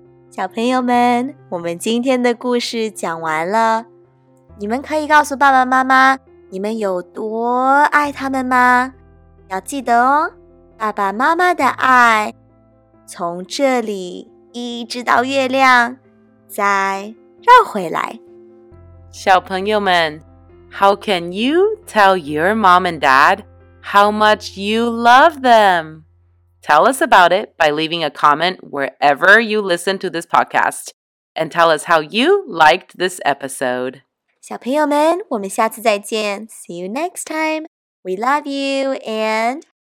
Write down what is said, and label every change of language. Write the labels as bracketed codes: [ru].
[zh] 小朋友们，我们今天的故事讲完了，你们可以告诉爸爸妈妈你们有多爱他们吗？要记得哦，爸爸妈妈的爱从这里一直到月亮，再绕回来。小朋友们， [en] How can you tell your mom and dad how much you love them? Tell us about it by leaving a comment wherever you listen to this podcast. And tell us how you liked this episode. [zh] 小朋友们，我们下次再见。 [en] See you next time. We love you and